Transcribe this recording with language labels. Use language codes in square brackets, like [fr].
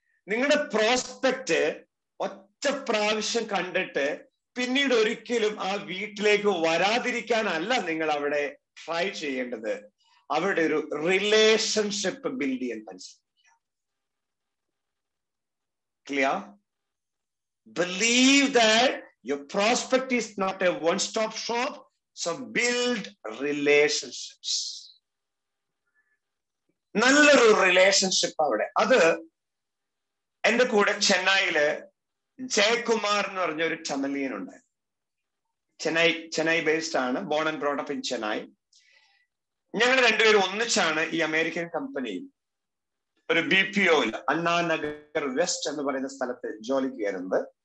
[ml] നിങ്ങളുടെ പ്രോസ്പെക്ട് ഒറ്റ പ്രാവശ്യം കണ്ടിട്ട് പിന്നീട് ഒരിക്കലും ആ വീട്ടിലേക്ക് വരാതിരിക്കാനല്ല നിങ്ങൾ അവിടെ ട്രൈ ചെയ്യേണ്ടത്, അവിടെ ഒരു റിലേഷൻഷിപ്പ് ബിൽഡ് ചെയ്യാൻ മനസ്സിലാക്കുക. [en] Clear? Believe that your prospect is not a one-stop shop, so build relationships. [ml] നല്ലൊരു relationship അവിടെ. അത് എന്റെ കൂടെ ചെന്നൈയില് ജയകുമാർ എന്ന് പറഞ്ഞ ഒരു ചമലിയൻ ഉണ്ട്. ചെന്നൈ ബേസ്ഡ് ആണ്, born and brought up in Chennai. ഞങ്ങൾ രണ്ടുപേരും ഒന്നിച്ചാണ് ഈ അമേരിക്കൻ കമ്പനിയിൽ ഒരു BPO അണ്ണാനഗർ വെസ്റ്റ് എന്ന് പറയുന്ന സ്ഥലത്ത് ജോലിക്ക് കയറുന്നത്.